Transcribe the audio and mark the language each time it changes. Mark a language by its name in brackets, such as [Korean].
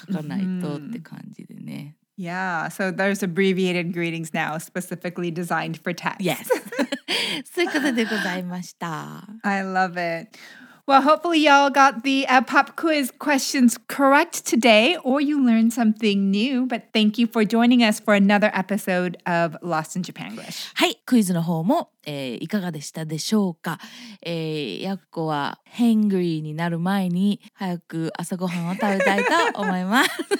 [Japanese] 書かないとって感じでね。 [English] Yeah, so there's abbreviated greetings now, specifically designed for text. Yes. [Japanese] そういうことでございました。 [English] I love it. Well, hopefully y'all got the pop quiz questions correct today, or you learned something new. But thank you for joining us for another episode of Lost in Japanglish. [Japanese] はい、クイズの方も、いかがでしたでしょうか。やっこは hangry になる前に早く朝ごはんを食べたいと思います。